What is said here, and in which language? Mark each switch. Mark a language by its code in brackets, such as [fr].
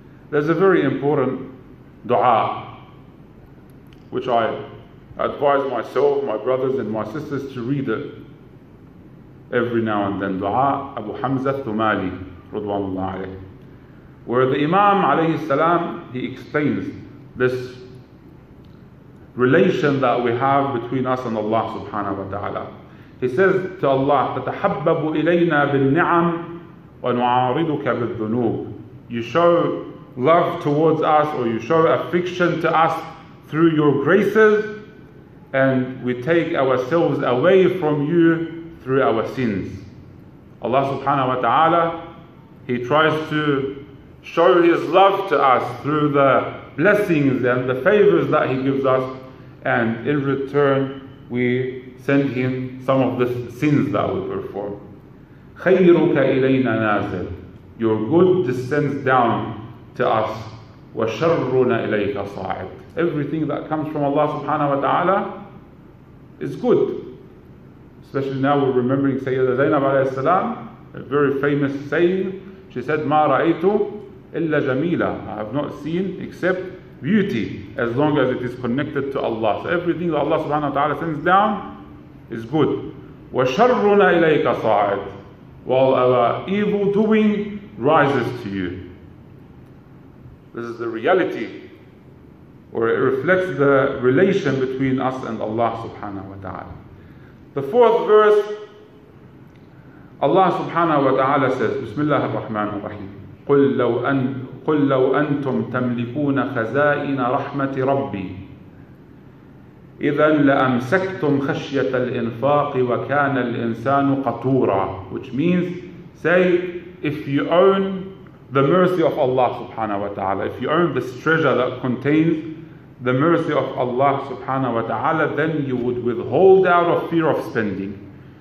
[en] There's a very important dua which I advise myself, my brothers and my sisters to read it every now and then. Dua Abu Hamza Thumali radwanullah alayh, where the Imam alayhi salam, he explains this relation that we have between us and Allah subhanahu wa ta'ala. He says to Allah, [ar] تَتَحَبَّبُ إِلَيْنَا بِالنِّعَمِ وَنُعَارِضُكَ بِالذُّنُوبِ. [en] You show love towards us, or you show affection to us through your graces, and we take ourselves away from you through our sins. Allah subhanahu wa ta'ala, He tries to show His love to us through the blessings and the favors that He gives us, and in return we send Him some of the sins that we perform. [ar] خَيْرُكَ إِلَيْنَا نَازِلٌ. [en] Your good descends down to us. [ar] وَشَرُّنَا إِلَيْكَ صَاعِدٌ. [en] Everything that comes from Allah subhanahu wa ta'ala is good. Especially now we're remembering Sayyidah Zainab alayhi salam, a very famous saying. She said, [ar] مَا رَأَيْتُ إِلَّا جَمِيلًا. [en] I have not seen except beauty, as long as it is connected to Allah. So everything that Allah subhanahu wa ta'ala sends down is good. [ar] وَشَرُّنَا إِلَيْكَ صَاعِدٌ. [en] While our evil doing rises to you. This is the reality, or it reflects the relation between us and Allah subhanahu wa ta'ala. The fourth verse, [ar] Allah subhanahu wa ta'ala says, Bismillah ar-Rahman ar-Rahim, قل لو أنتم تملكون خزائن رحمة ربي إذا لأمسكتم خشية الإنفاق وكان الإنسان قطورا. [en] Which means, say, if you own the mercy of Allah subhanahu wa ta'ala, if you own this treasure that contains the mercy of Allah subhanahu wa ta'ala, then you would withhold out of fear of spending.